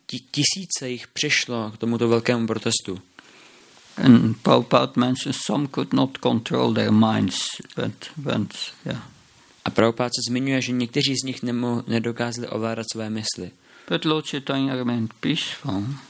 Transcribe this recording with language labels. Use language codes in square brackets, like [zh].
[cs] Tisíce jich přišlo k tomuto velkému protestu. [en] And Prabhupada mentions some could not control their minds, but yeah. [cs] A Prabhupada se zmiňuje, že někteří z nich nedokázali ovládat své mysli. [en] But Lord Chaitanya remained peaceful.